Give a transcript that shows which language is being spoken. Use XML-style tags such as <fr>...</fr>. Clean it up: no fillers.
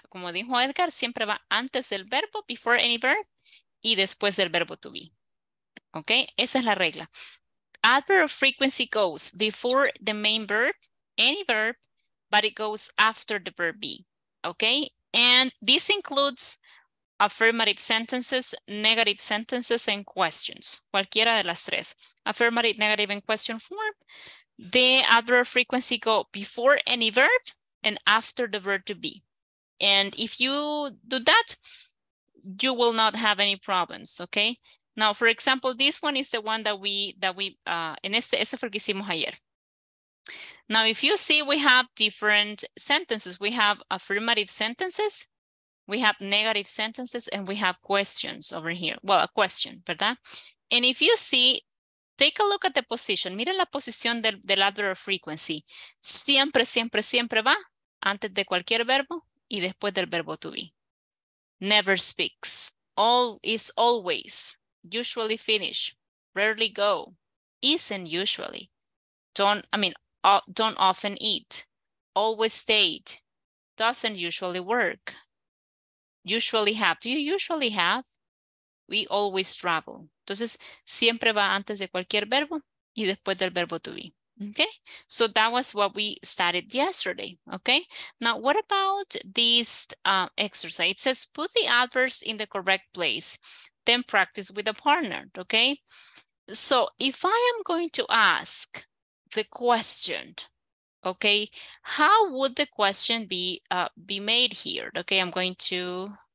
<es>Como dijo Edgar, siempre va antes del verbo,</es> <en>before any verb,</en> <es>y después del verbo to be. ¿Ok? Esa es la regla.</es> <en>Adverb of frequency goes before the main verb, any verb, but it goes after the verb be. ¿Ok? And this includes affirmative sentences, negative sentences, and questions.</en> <es>Cualquiera de las tres.</es> <en>Affirmative, negative, and question form. The adverb of frequency go before any verb and after the verb to be. And if you do that, you will not have any problems, okay? Now, for example, this one is the one that</en> <es>ese fue el que hicimos ayer.</es> <en>Now, if you see, we have different sentences. We have affirmative sentences, we have negative sentences, and we have questions over here. Well, a question, ¿verdad? And if you see, take a look at the position.</en> <es>Mira la posición del adverb of frequency. Siempre, siempre, siempre va antes de cualquier verbo. Y después del verbo to be.</es> <en>Never speaks. All is always. Usually finish. Rarely go. Isn't usually. Don't often eat. Always stayed. Doesn't usually work. Usually have. Do you usually have? We always travel.</en> <es>Entonces, siempre va antes de cualquier verbo y después del verbo to be.</es> <en>Okay, so that was what we started yesterday, okay? Now, what about this exercise? It says, put the adverbs in the correct place, then practice with a partner, okay? So if I am going to ask the question, okay, how would the question be made here? Okay, I'm going to</en>